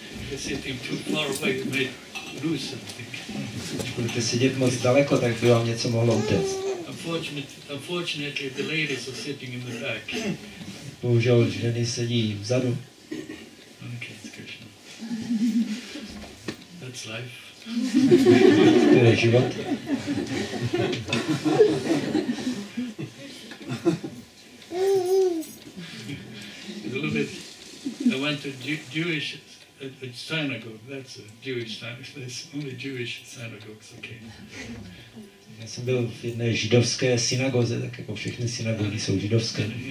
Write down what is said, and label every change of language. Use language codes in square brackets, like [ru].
[en] You're sitting too far away, you may lose something. [cs] Když budete sedět moc daleko, tak by vám něco mohlo utéct. [en] Unfortunately, the ladies are sitting in the back. [cs] Bohužel, ženy sedí vzadu. [en] Okay, it's Krishna. That's life. [cs] To je život. [en] I went to Jewish synagogue. That's a Jewish synagogue. There's only Jewish synagogues, okay. [cs] Já jsem byl v jedné židovské synagoze, tak jako všechny synagogy jsou židovské.